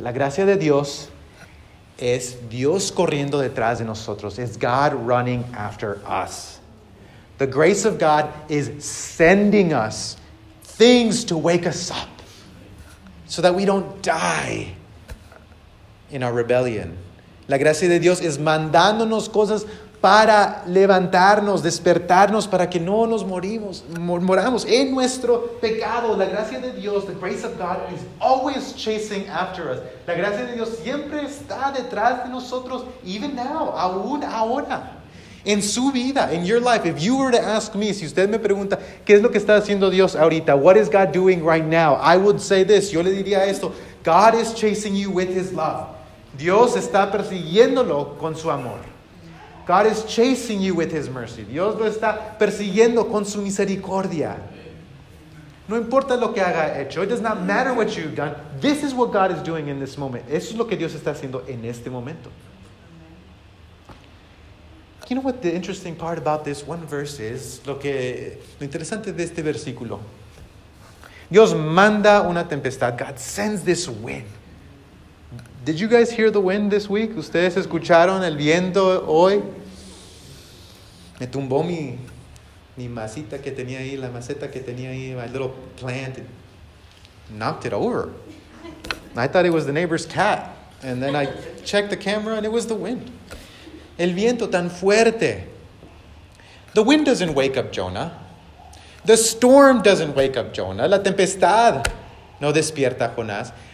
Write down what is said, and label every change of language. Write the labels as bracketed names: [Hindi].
[Spanish] La gracia de Dios es Dios corriendo detrás de nosotros. [English] It's God running after us. The grace of God is sending us things to wake us up so that we don't die in our rebellion. [Spanish] La gracia de Dios es mandándonos cosas para levantarnos, despertarnos, para que no nos moramos en nuestro pecado. La gracia de Dios, [English] the grace of God, is always chasing after us. [Spanish] La gracia de Dios siempre está detrás de nosotros, [English] even now, [Spanish] aún ahora. En su vida, [English] in your life, if you were to ask me, [Spanish] si usted me pregunta, ¿qué es lo que está haciendo Dios ahorita? [English] What is God doing right now? I would say this, [Spanish] yo le diría esto, [English] God is chasing you with his love. [Spanish] Dios está persiguiéndolo con su amor. [English] God is chasing you with his mercy. [Spanish] Dios lo está persiguiendo con su misericordia. No importa lo que haga hecho. [English] It does not matter what you've done. This is what God is doing in this moment. [Spanish] Eso es lo que Dios está haciendo en este momento. [English] You know what the interesting part about this one verse is? [Spanish] Lo interesante de este versículo. Dios manda una tempestad. [English] God sends this wind. Did you guys hear the wind this week? [Spanish] ¿Ustedes escucharon el viento hoy? Me tumbó mi maceta que tenía ahí, la maceta que tenía ahí, [English] my little plant. It knocked it over. I thought it was the neighbor's cat. And then I checked the camera and it was the wind. [Spanish] El viento tan fuerte. [English] The wind doesn't wake up Jonah. The storm doesn't wake up Jonah. [Spanish] La tempestad no despierta a Jonás.